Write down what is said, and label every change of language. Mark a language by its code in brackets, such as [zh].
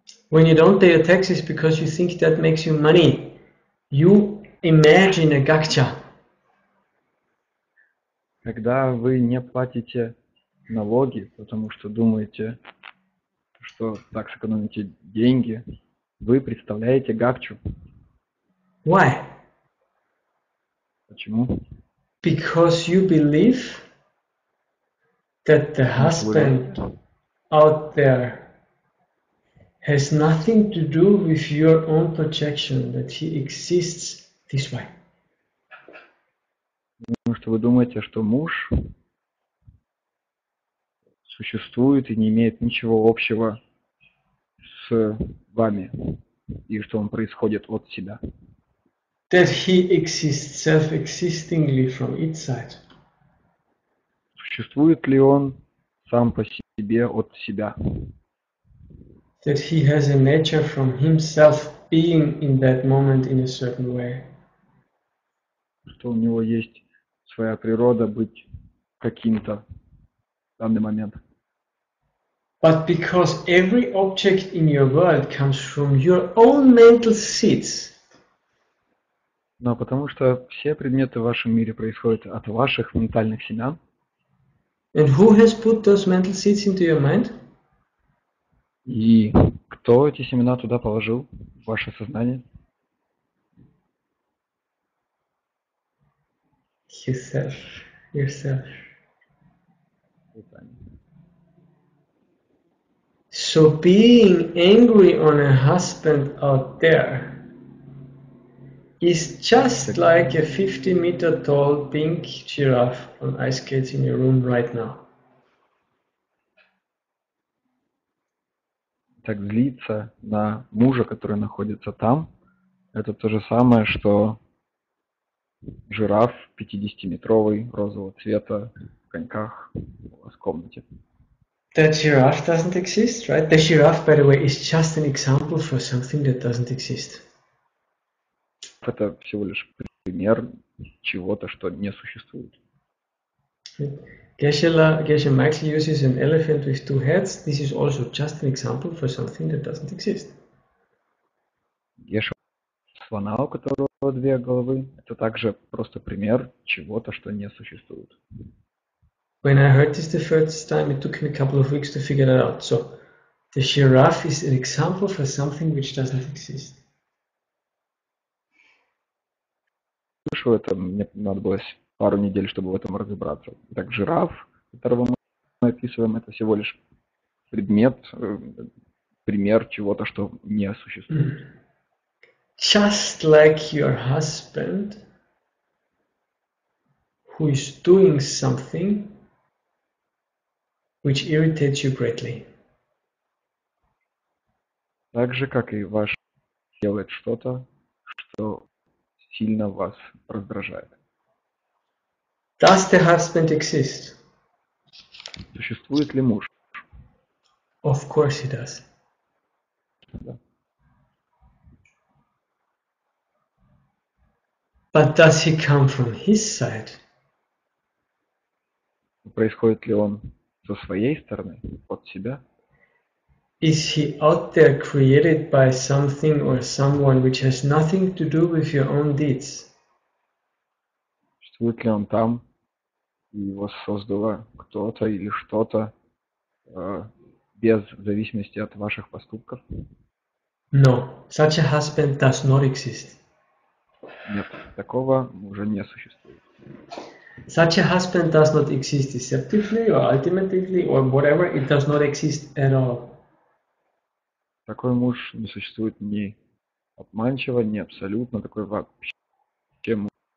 [en] When you don't pay your taxes because you think that makes you money, you imagine a gakcha. [ru] Когда вы не платите налоги, потому что думаете, что так сэкономите деньги, вы представляете гакчу. [en] Why? [ru] Почему? [en] Because you believe that the husband out there has nothing to do with your own projection, that he exists this way. [ru] Потому что вы думаете, что муж существует и не имеет ничего общего с вами, и что он происходит от себя. [en] That he exists self-existingly from its side. [ru] Существует ли он сам по себе от себя? [en] That he has a nature from himself being in that moment in a certain way. [ru] Что у него есть своя природа быть каким-то в данный момент. [en] But because every object in your world comes from your own mental seeds. [ru] Но потому что все предметы в вашем мире происходят от ваших ментальных семян. [en] And who has put those mental seeds into your mind? [ru] И кто эти семена туда положил, в ваше сознание? [en] Yourself. So being angry on a husband out there just like a 50-meter tall pink giraffe on ice skates in your room right now. [ru] Так злиться на мужа, который находится там, это то же самое, что жираф 50-метровый розового цвета в коньках у вас в комнате. [en] That giraffe doesn't exist, right? The giraffe, by the way, is just an example for something that doesn't exist. [ru] Это всего лишь пример чего-то, что не существует. [en] Geshe Michael uses an elephant with two heads. This is also just an example for something that doesn't exist. [ru] Geshe слона, у которого две головы, это также просто пример чего-то, что не существует. [en] When I heard this the first time, it took me a couple of weeks to figure that out. So, the giraffe is an example for something which doesn't exist. [ru] Слышу это, мне надо было пару недель, чтобы в этом разобраться. Так, жираф, которого мы описываем, это всего лишь предмет, пример чего-то, что не существует. [en] Just like your husband, who is doing something, which irritates you greatly. [ru] Так же, как и ваш делает что-то, что сильно вас раздражает. [en] Does the husband exist? [ru] Существует ли муж? [en] Of course he does. [ru] Да. [en] But does he come from his side? [ru] Происходит ли он со своей стороны, от себя? [en] Is he out there created by something or someone which has nothing to do with your own deeds? [ru] Существует ли он там? Его создало кто-то или что-то без зависимости от ваших поступков? [en] No, such a husband does not exist. [ru] Нет, такого мужа не существует. [en] Such a husband does not exist deceptively or ultimately or whatever, it does not exist at all. [ru] Такой муж не существует ни обманчиво, ни абсолютно, такой вообще муж.